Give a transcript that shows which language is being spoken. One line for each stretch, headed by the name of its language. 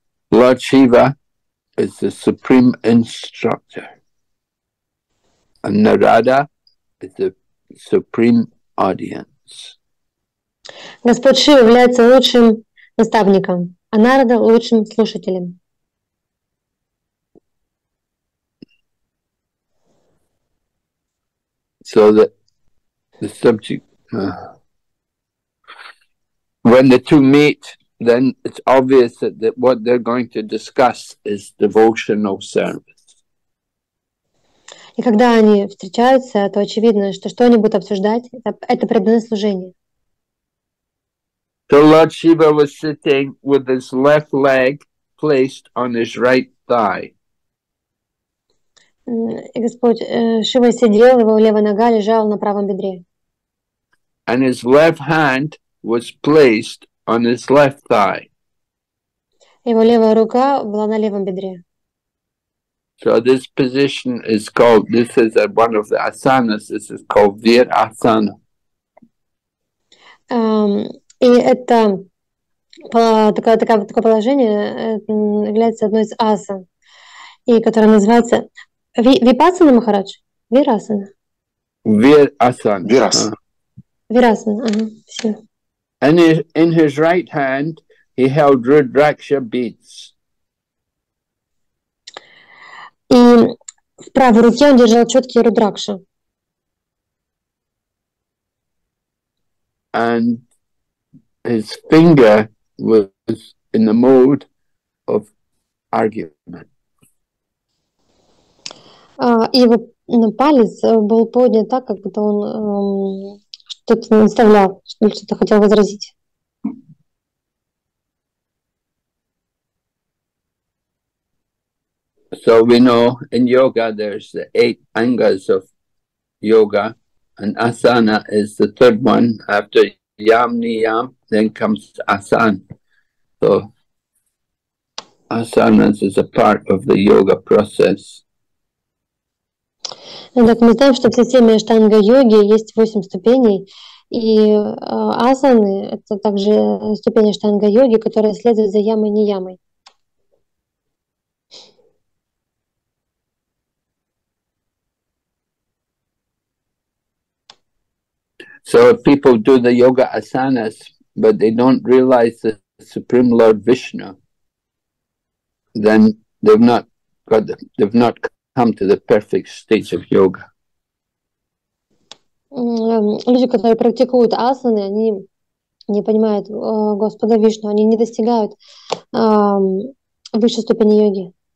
English: Lord Shiva is the supreme instructor, and Narada is the supreme audience.
Russian: Господь Шива является лучшим наставником, а Нарада лучшим слушателем.
English: So the subject, when the two meet, then it's obvious that what they're going to discuss is devotional service.
Russian: И когда они встречаются, то очевидно, что они будут обсуждать, это преданное служение.
English: So Lord Shiva was sitting with his left leg placed on his right thigh.
Russian: И Господь Шива сидел, его левая нога лежала на правом бедре.
English: And his left hand was placed on his left thigh.
Russian: Его левая рука была на левом бедре.
English: So this position is called, this is one of the asanas, this is called Virasana.
Russian: И это такое положение является одной из асан, и которое называется Випассана, Махарадж? Вирасана. Вирасана. Вирасана, ага, все.
English: And in his right hand, he held Rudraksha beads.
Russian: И в правой руке он держал четкие рудракши.
English: And his finger was in the mode of argument.
Russian: И его палец был поднят так, как будто он что-то наставлял, что-то хотел возразить.
English: So we know in yoga there's the eight angas of yoga, and asana is the third one after yam niyam, then comes asana. So asanas is a part of the yoga process.
Russian: Так мы знаем, что в системе аштанга йоги есть 8 ступеней, и асаны это также ступени аштанга йоги, которые следуют за ямой ниямой.
English: So So if people do the yoga asanas, but they don't realize the Supreme Lord Vishnu, then they've not come to the perfect stage of yoga.
Russian: Люди, которые практикуют асаны, они не понимают Господа Вишну, они не достигают высшей ступени йоги.